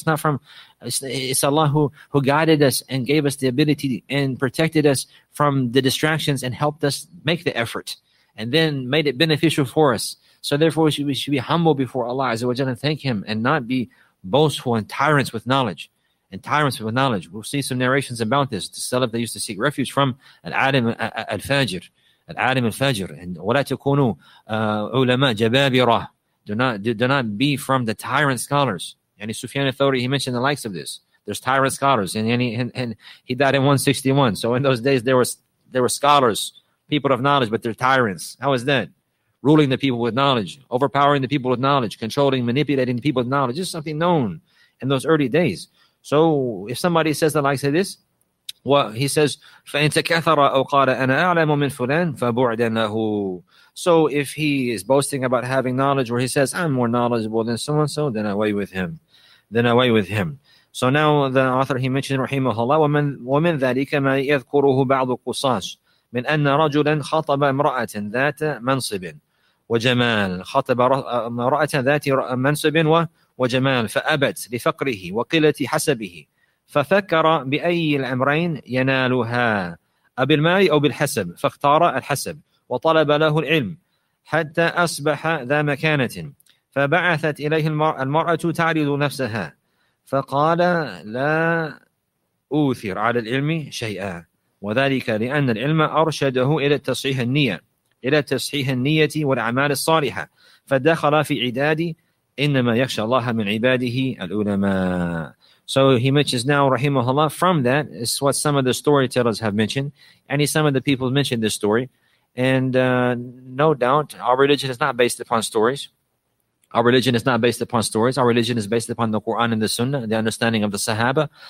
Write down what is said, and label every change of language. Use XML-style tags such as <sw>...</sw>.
<en>It's not from, it's Allah who guided us and gave us the ability and protected us from the distractions and helped us make the effort and then made it beneficial for us. So therefore, we should be humble before Allah Azza wa Jalla and thank Him and not be boastful and tyrants with knowledge. And tyrants with knowledge. We'll see some narrations about this. The Salaf, they used to seek refuge from Al-Adim Al-Fajr. Al-Adim Al-Fajr. And</en> <ar>وَلَا تَكُونُوا عُلَمَا جَبَابِرَةً.</ar> <en>Do not be from the tyrant scholars. And Sufyan al-Thawri, he mentioned the likes of this. There's tyrant scholars. And he died in 161. So in those days, there were scholars, people of knowledge, but they're tyrants. How is that? Ruling the people with knowledge. Overpowering the people with knowledge. Controlling, manipulating the people with knowledge. This is something known in those early days. So if somebody says the likes of this, well, he says,</en> <ar>فَإِنْتَ كَثَرَ أَوْ قَالَ أَنَا أَعْلَمُ مِنْ فُلَانٍ فَبُعْدًا لَهُ.</ar> <en>So if he is boasting about having knowledge where he says, I'm more knowledgeable than so-and-so, then away with him. Then away with him. So now the author, he mentioned,</en> <ar>رَحِيمُهُ وَمِنْ ذَلِكَ مَا يَذْكُرُهُ بَعْضُ قُصَاصٍ مِنْ أَنَّ رَجُلًا خَطَبَ امْرَأَةً ذَاتَ مَنْصِبٍ وَجَمَالٍ خَطَبَ امْرَأَةً ذَاتِ مَنْصِبٍ وجمال فأبت لفقره وقلة حسبه ففكر بأي الأمرين ينالها أبي المال أو بالحسب فاختار الحسب وطلب له العلم حتى أصبح ذا مكانة فبعثت إليه المرأة تعرض نفسها فقال لا أوثر على العلم شيئا وذلك لأن العلم أرشده إلى تصحيح النية إلى تصحيح النية والأعمال الصالحة فدخل في عداد إِنَّمَا يَخْشَى اللَّهَ مِنْ عِبَادِهِ الْعُلَمَاءَ.</ar> <en>So he mentions now, rahimahullah, from that is what some of the storytellers have mentioned. And some of the people mentioned this story. And no doubt, our religion is not based upon stories. Our religion is not based upon stories. Our religion is based upon the Quran and the Sunnah, the understanding of the Sahaba.</en>